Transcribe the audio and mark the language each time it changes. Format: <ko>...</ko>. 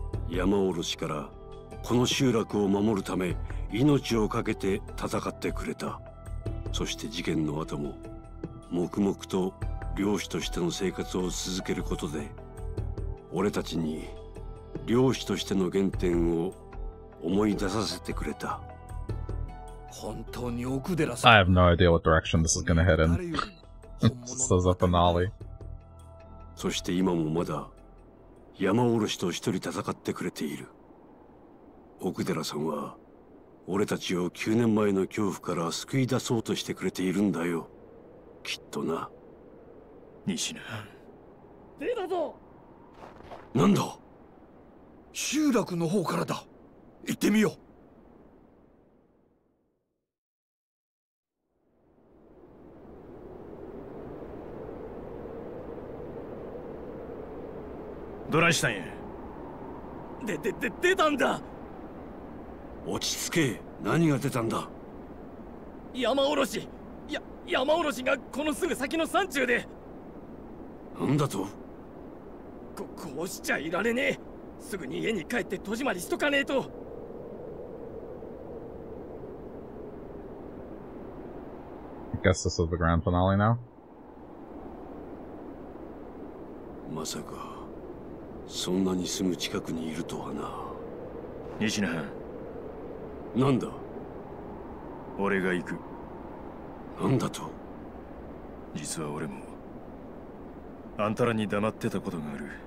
<ja>山おろしからこの集落を守るため命を懸けて戦ってくれた。そして事件の後も黙々と漁師としての生活を続けることで俺たちに漁師としての原点を思い出させてくれた。本当に奥寺さん、</ja> <en>I have no idea what direction this is gonna head in. This is a finale.</en> <ja>そして今もまだ山おろしと一人戦ってくれている。奥寺さんは俺たちを9年前の恐怖から救い出そうとしてくれているんだよ、きっとな。西名。出たぞ。なんだ。集落の方からだ。行ってみよう。どないしたんや。出たんだ。落ち着け。何が出たんだ。山おろし、山おろしがこのすぐ先の山中で。何だと。こうしちゃいられねえ。すぐに家に帰って戸締まりしとかねえと。</ja> <en>I guess this is the grand finale now.</en> <ja>まさかそんなにすぐ近くにいるとはな。西野。なんだ。俺が行く。なんだと。実は俺もあんたらに黙ってたことがある。</ja>